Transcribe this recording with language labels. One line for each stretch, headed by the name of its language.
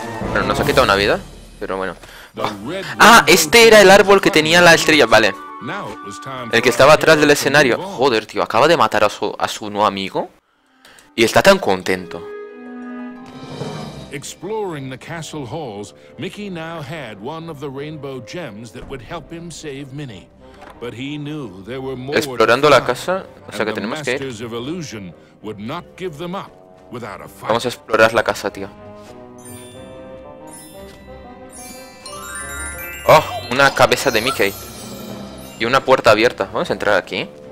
Spanish: Bueno, nos ha quitado una vida, pero bueno. Oh. ¡Ah! Este era el árbol que tenía la estrella, vale. El que estaba atrás del escenario. Joder, tío, acaba de matar a su nuevo amigo. Y está tan contento.
English: Exploring the castle halls, Mickey now had one of the rainbow gems that would help him save Minnie. But he knew there were more.
Spanish: Explorando la casa, o sea que tenemos que ir. Vamos a explorar la casa, tío. Oh, una cabeza de Mickey. Y una puerta abierta. Vamos a entrar aquí.